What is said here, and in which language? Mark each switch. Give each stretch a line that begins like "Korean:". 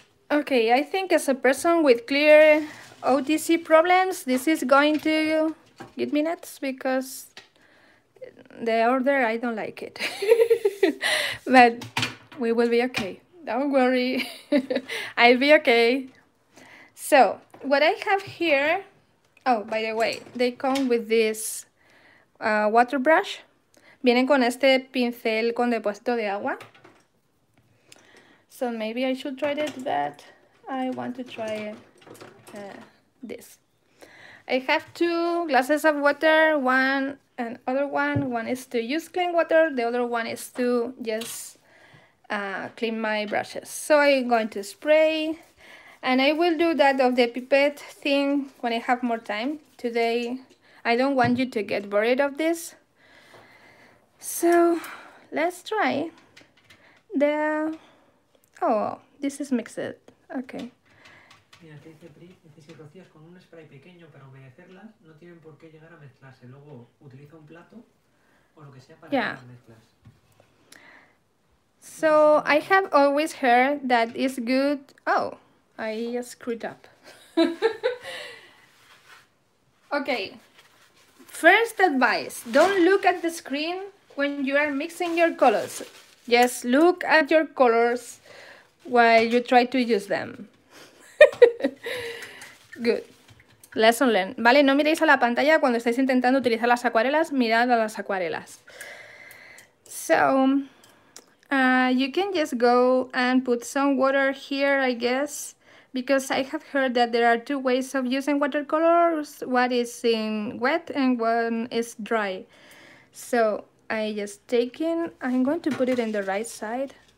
English: Okay, I think as a person with clear OTC problems, this is going to give me nuts because the order, I don't like it. But we will be okay. Don't worry. I'll be okay. So, what I have here... Oh, by the way, they come with this water brush.
Spanish: Vienen con este pincel con depósito de agua.
English: So maybe I should try it, but I want to try this. I have two glasses of water, one and other one. One is to use clean water, the other one is to just clean my brushes. So I'm going to spray, and I will do that of the pipette thing when I have more time. Today, I don't want you to get worried of this. So let's try the... Oh, this is mixed. Okay.
Spanish: Mira, te dice Pri, si rocías con un spray pequeño para humedecerlas, no tienen por qué llegar a mezclarse. Luego utiliza un plato o lo que sea para las mezclas.
English: So, I have always heard that it's good... Oh, I screwed up. Okay. First advice, don't look at the screen when you are mixing your colors. Just look at your colors while you try to use them. Good. Lesson learned.
Spanish: Vale, no miréis a la pantalla cuando estáis intentando utilizar las acuarelas. Mirad a las acuarelas.
English: So, you can just go and put some water here, I guess. Because I have heard that there are two ways of using watercolors. One is in wet and one is dry. So, I just taking... I'm going to put it in the right side.